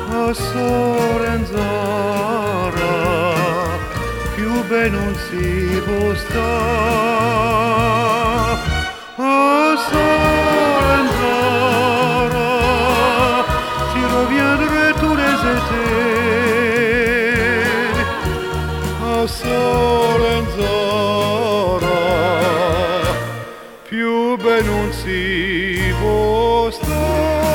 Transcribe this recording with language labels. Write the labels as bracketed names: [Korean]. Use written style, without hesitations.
[Italian] A Solenzara, più ben non si può star. [French] A Solenzara, j'y reviendrai tous les étés. [Italian] A Solenzara, più ben non si può star.